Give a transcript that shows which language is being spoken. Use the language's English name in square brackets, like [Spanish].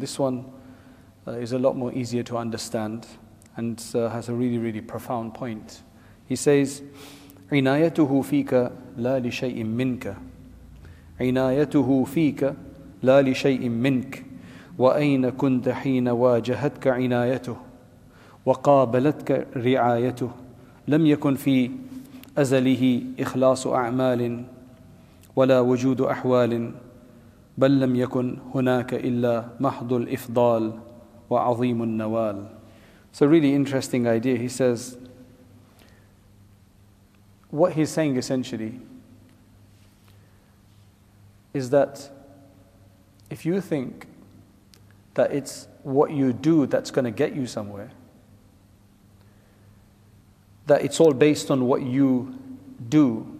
[English] This one is a lot more easier to understand and has a really, really profound point. He says, [Arabic] عِنَايَتُهُ فِيكَ لَا لِشَيْءٍ مِنْكَ عِنَايَتُهُ فِيكَ لَا لِشَيْءٍ مِنْكَ وَأَيْنَ كُنْتَ حِينَ وَاجَهَتْكَ عِنَايَتُهُ وَقَابَلَتْكَ رِعَايَتُهُ لَمْ يَكُنْ فِي أَزَلِهِ إِخْلَاصُ أَعْمَالٍ ولا وجود أحوال بل لم يكن هناك إلا محض الإفضال وعظيم النوال. [English] It's a really interesting idea. He says, what he's saying essentially is that if you think that it's what you do that's going to get you somewhere, that it's all based on what you do.